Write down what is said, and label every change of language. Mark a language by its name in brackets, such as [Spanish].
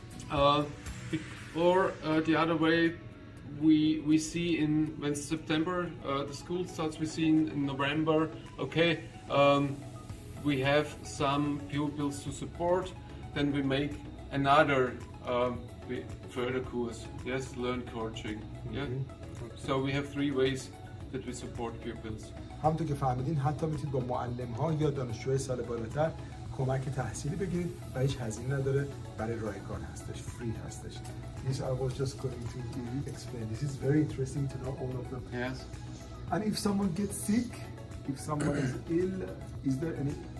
[English] The other way, we see in when September the school starts, we see in November, okay, we have some pupils to support, then we make another further course, yes, learn coaching, yeah. Mm-hmm. So we have 3 ways that we support pupils. [Persian] همونطور که فهمیدین حتی میتونید با معلم ها یا دانشجوی سال بالاتر کمک تحصیلی بگیرید و هیچ هزینه نداره، برای رایگان هستش، فری هستش. [English] This I was just going to explain. This is very interesting to know all of them. Yes. And if someone gets sick, if someone is ill, is there any?